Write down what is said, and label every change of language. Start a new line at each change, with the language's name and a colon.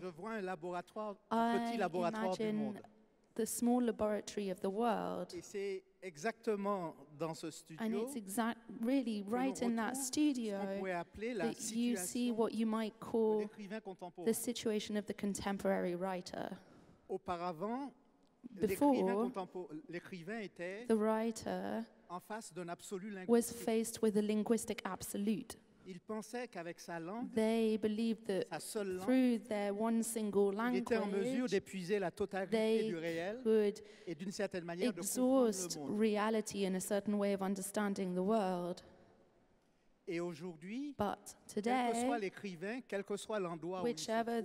French: je vois un laboratoire, un petit laboratoire du monde.
English: The small laboratory of the world.
French: Et c'est exactement dans ce studio.
English: And it's really right in that studio that you see what you might call the situation of the contemporary writer.
French: Auparavant,
English: before,
French: l'écrivain était
English: the writer
French: en face d'un absolu linguistique.
English: Was faced with a linguistic absolute.
French: Ils pensaient qu'avec sa langue,
English: they believed that
French: sa seule langue,
English: through their one single language,
French: ils étaient en mesure d'épuiser la totalité du réel et d'une certaine manière de comprendre le monde.
English: Reality in a certain way of understanding the world.
French: Et aujourd'hui,
English: but today,
French: quel que soit l'écrivain, quel que soit l'endroit où il se trouve,